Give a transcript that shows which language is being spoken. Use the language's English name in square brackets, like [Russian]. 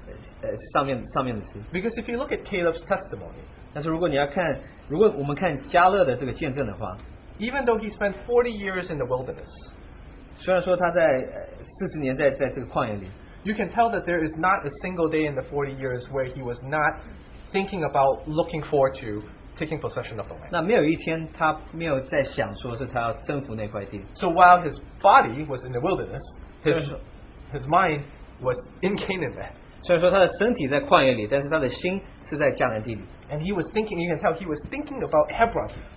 [Chinese] 那第一件事情就是你要把你的心思放在上面的事。 [English] Because if you look at Caleb's testimony, [Chinese] 但是如果你要看，如果我们看加勒的这个见证的话。 [English] Even though he spent 40 years in the wilderness, [Chinese] 虽然说他在40年在这个旷野里, [English] you can tell that there is not a single day in the 40 years where he was not thinking about looking forward to taking possession of the land. [Chinese] 那没有一天他没有在想说是他要征服那块地。 [English] So while his body was in the wilderness, his mind was in Canaan then. [Chinese] 虽然说他的身体在旷野里, 但是他的心是在迦南地里。 [English] And he was thinking, you can tell he was thinking about Hebron.